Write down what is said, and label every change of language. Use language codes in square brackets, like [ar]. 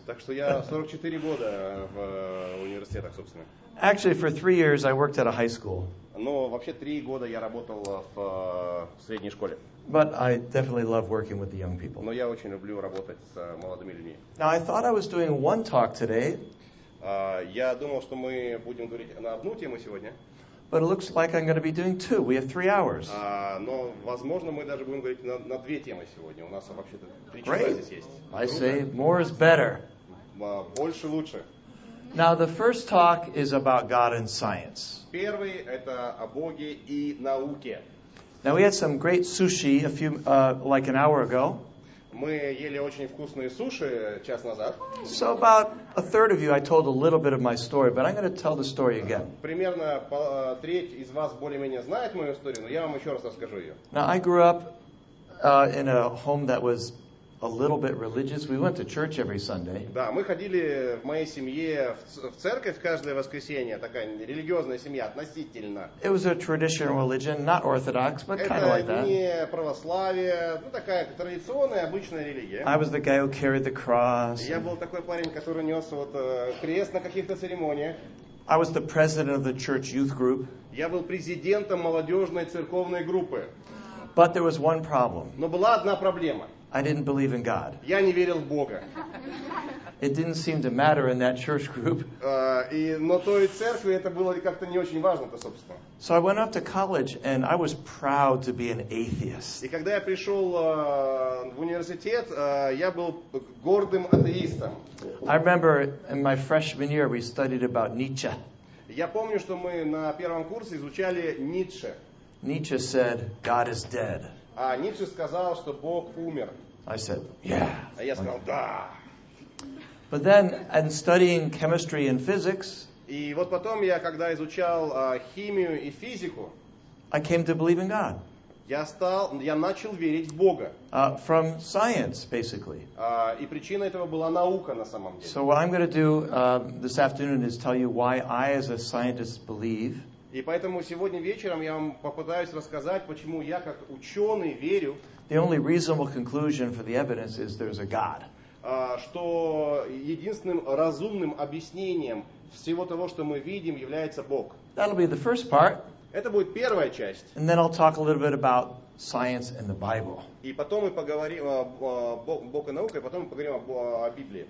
[ru] Так что я 44 года в университетах, собственно. [en] Actually, for 3 years I worked at a high school. [ru] Но вообще 3 года я работал в средней школе. [en] But I definitely love working with the young people. [ru] Но я очень люблю работать с молодыми людьми. [en] Now I thought I was doing one talk today. [ru] Я думал, что мы будем говорить на одну тему сегодня. [en] But it looks like I'm going to be doing two. We have 3 hours. [ru] Но возможно, мы даже будем говорить на две темы сегодня. У нас вообще-то 3 часа. [en] Great. [ru] Здесь есть. Друга. [en] I say more is better. [ru] Больше лучше. [en] Now the first talk is about God and science. [ru] Первый это о Боге и науке. [en] Now we had some great sushi like an hour ago. [ru] Мы ели очень вкусные суши час назад. [en] So about a third of you, I told a little bit of my story, but I'm going to tell the story again. [ru] Примерно треть из вас более-менее знает мою историю, но я вам еще раз расскажу ее. [en] Now I grew up in a home that was a little bit religious. We went to church every Sunday. [ru] Да, мы ходили в моей семье в церковь каждое воскресенье. Такая религиозная семья относительно. [en] It was a traditional religion, not orthodox, but kind of like that. [ru] Это не православие, ну такая традиционная обычная религия. [en] I was the guy who carried the cross. [ru] Я был такой парень, который нес вот крест на каких-то церемониях. [en] I was the president of the church youth group. [ru] Я был президентом молодежной церковной группы. [en] But there was one problem. [ru] Но была одна проблема. [en] I didn't believe in God. [ru] Я не верил в Бога. [en] It didn't seem to matter in that church group. [ru] Но той церкви это было как-то не очень важно-то, собственно. [en] So I went off to college and I was proud to be an atheist. [ru] И когда я пришел в университет, я был гордым атеистом. [en] I remember in my freshman year we studied about Nietzsche. [ru] Я помню, что мы на первом курсе изучали Ницше. [en] Nietzsche said, God is dead. [ru] Ницше сказал, что Бог умер. [en] I said, yeah. [ru] А я сказал, да. [en] But then, and studying chemistry and physics, [ru] и вот потом я, когда изучал химию и физику, [en] I came to believe in God. [ru] Я начал верить в Бога. [en] From science, basically. [ru] И причина этого была наука на самом деле. [en] So what I'm going to do this afternoon is tell you why I, as a scientist, believe. [ru] И поэтому сегодня вечером я вам попытаюсь рассказать, почему я как ученый верю. [en] The only reasonable conclusion for the evidence is there's a God. [ru] Что единственным разумным объяснением всего того, что мы видим, является Бог. [en] That'll be the first part. [ru] Это будет первая часть. [en] And then I'll talk a little bit about science and the Bible. [ru] И потом мы поговорим о Бог и наука, и потом мы поговорим о Библии.